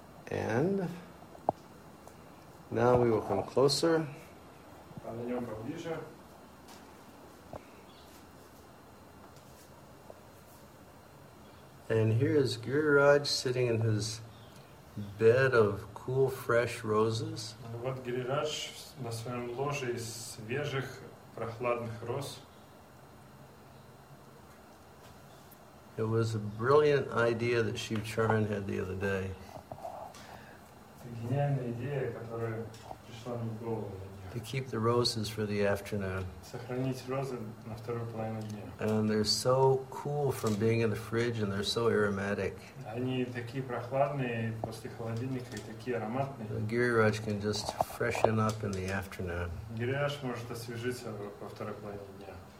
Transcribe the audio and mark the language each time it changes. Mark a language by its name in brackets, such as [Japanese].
[English] And now we will come closer. [Russian] Подойдем поближе. [English] And here is Giriraj sitting in his bed of cool, fresh roses. [Russian] Вот Гирирадж на своем ложе из свежих, прохладных роз. [English] It was a brilliant idea that Shiv Charan had the other day. [Russian] Гениальная идея, которая пришла мне в голову. [English] To keep the roses for the afternoon. [Russian] Сохранить розы на вторую половину дня. [English] And they're so cool from being in the fridge, and they're so aromatic. [Russian] Они такие прохладные после холодильника и такие ароматные. [English] Гирирадж can just freshen up in the afternoon. [Russian] Гирирадж может освежиться во второй половине дня.